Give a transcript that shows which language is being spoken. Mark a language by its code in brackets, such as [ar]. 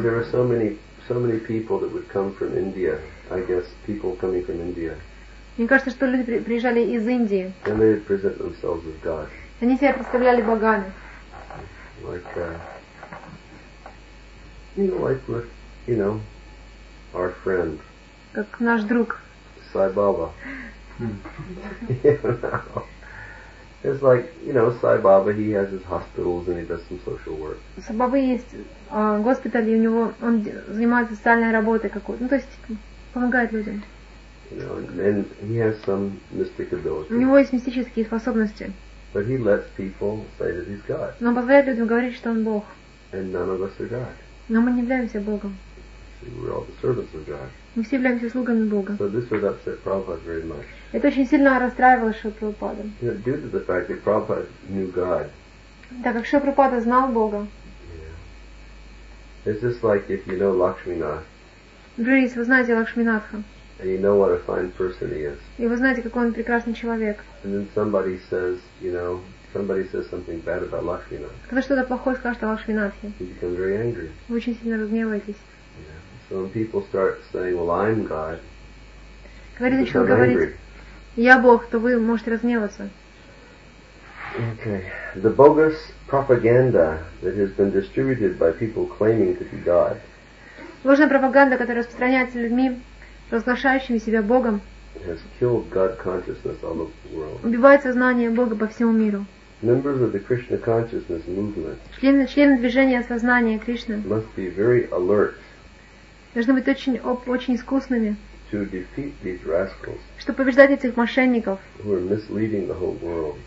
[en] Because there were so many people that would come from India. I guess people coming from India. [ru] Мне кажется, что люди приезжали из Индии. [en] And they would present themselves as God. [ru] Они себя представляли богами. [en] Like our friend. [ru] Как наш друг. [en] Sai Baba. You know. It's like, you know, Sai Baba, he has his hospitals and he does some social work. [ru] Sai Baba есть госпиталь, и у него, он занимается социальной работой какой-то. Ну, то есть помогает людям. У него есть мистические способности. [en] But he lets people say that he's God. [ru] Но он позволяет людям говорить, что он Бог. [en] And none of us are God. [ru] Но мы не являемся Богом. [en] We're all the servants of God. [ru] Мы все являемся слугами Бога. [en] So this would upset Prabhupada very much. [ru] Это очень сильно расстраивало Шрилу Прабхупаду. [en] Due to the fact that Prabhupada knew God. [ru] Так как Шрила Прабхупада знал Бога. [en] It's just like if you know Lakshminath. [ru] Например, если вы знаете Лакшминатха. [en] And you know what a fine person he is. [ru] И вы знаете, какой он прекрасный человек. [en] And then somebody says, you know, somebody says something bad about Lakshminath. [ru] Когда что-то плохое скажет о Лакшминатхе. [en] You become very angry. [ru] Вы очень сильно разгневаетесь. [en] So when people start saying, "Well, I'm God," you become angry. [ru] Я Бог, то вы можете разгневаться. [en] Okay, the bogus propaganda that has been distributed by people claiming to be God. [ru] Ложная пропаганда, которая распространяется людьми, разглашающими себя Богом, [en] has killed God consciousness all over the world. [ru] Убивает сознание Бога по всему миру. [en] Members of the Krishna consciousness movement. [ru] Члены движения сознания Кришны. [en] Must be very alert. [ru] Должны быть очень искусными. [en] To defeat these rascals. [ru] Чтобы побеждать этих мошенников. [en] Who are misleading the whole world.